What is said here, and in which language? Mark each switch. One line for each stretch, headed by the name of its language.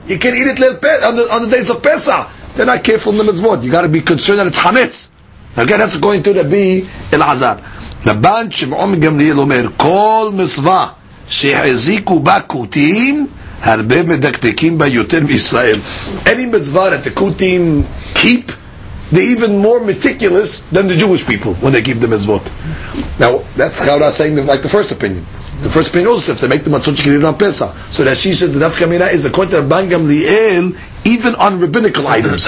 English: You can't eat it on the days of Pesach. They're not careful in the מצוות. You got to be concerned that it's חמץ. Again, that's going to be אל עזר.
Hebrew: רבן שמעון גמליאל אומר, כל מצווה שהחזיקו בה כותים, הרבה מדקדקים בה יותר מישראל.
English: Any mitzvah that the kutim keep, they're even more meticulous than the Jewish people when they keep the mitzvot. Now, that's how they're saying like the first opinion. The first opinion also, if they make the matzot, you can eat it on Pesach. So that she says, the Dafka Mina is according to Rabban Gamliel, even on rabbinical items.